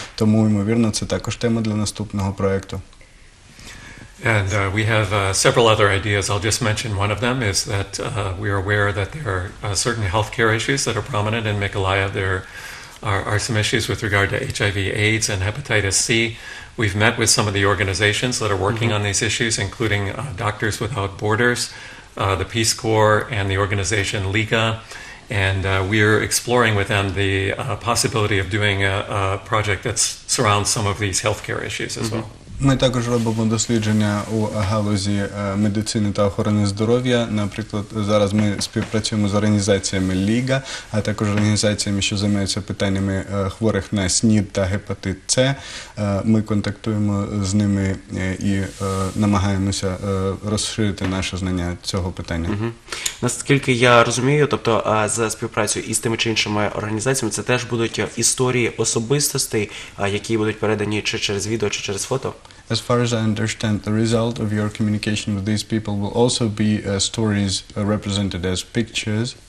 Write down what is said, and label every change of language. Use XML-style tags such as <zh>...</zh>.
<uk>Тому, ймовірно, це також тема для наступного проєкту.</uk> <en>And we have several other ideas. I'll just mention one of them is that we are aware that there are certain healthcare issues that are prominent in Miколаїв. There are some issues with regard to HIV/AIDS and hepatitis C. We've met with some of the organizations that are working mm-hmm. on these issues, including Doctors Without Borders, the Peace Corps, and the organization Liga. And we're exploring with them the possibility of doing a project that surrounds some of these healthcare issues as mm-hmm. well.</en> <uk>Ми також робимо дослідження у галузі медицини та охорони здоров'я. Наприклад, зараз ми співпрацюємо з організаціями Ліга, а також організаціями, що займаються питаннями хворих на СНІД та гепатит С. Ми контактуємо з ними і намагаємося розширити наше знання цього питання. Угу. Наскільки я розумію, тобто за співпрацю із тими чи іншими організаціями, це теж будуть історії особистостей, які будуть передані чи через відео, чи через фото?</uk> <en>As far as I understand, the result of your communication with these people will also be stories represented as pictures.</en>